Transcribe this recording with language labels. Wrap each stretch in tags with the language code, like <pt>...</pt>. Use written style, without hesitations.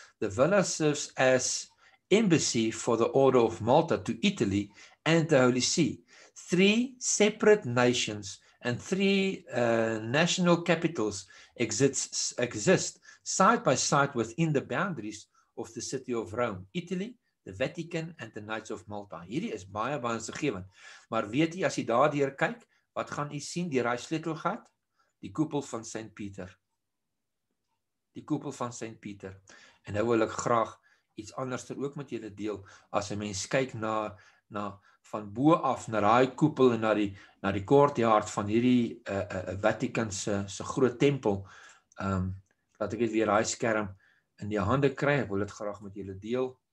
<en>The villa serves as embassy for the order of Malta to Italy and the Holy See. Three separate nations and three national capitals exist side by side within the boundaries of the city of Rome, Italy, the Vatican and the Knights of Malta.</en> <af>Hierdie is baie insiggewend. Maar weet jy, as jy daar deur kyk, wat gaan jy sien die sleutelgat? Die koepel van St. Peter. Die koepel van St. Peter. En nou wil ek graag iets anders er ook met julle deel, as een mens kyk na van bo af naar die koepel en naar die courtyard van hierdie Vatikanse se groot tempel. Laat ek het weer die skerm in die hande kry, ek wil het graag met julle deel.</af>